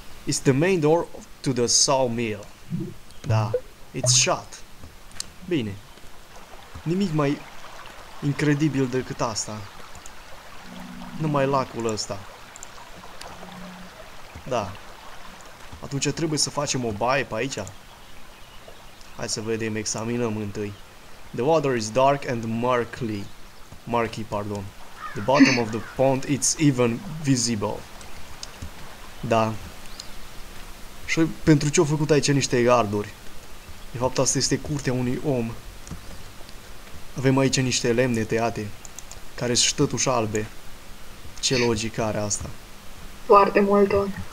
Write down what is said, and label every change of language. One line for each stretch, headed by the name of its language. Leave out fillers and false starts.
English: It's the main door to the sawmill. Da. It's shut. Bine.
Romanian: Nimic mai incredibil decât asta. Numai lacul ăsta. Da. Atunci trebuie să facem o baie pe aici. Hai să vedem, examinăm întâi.
English: The water is dark and murky. Murky, pardon. The bottom of the pond is even visible.
Romanian: Da. Și pentru ce au făcut aici niște garduri? De fapt, asta este curtea unui om. Avem aici niște lemne tăiate, care sunt tătuși albe. Ce logică are asta? Foarte multă.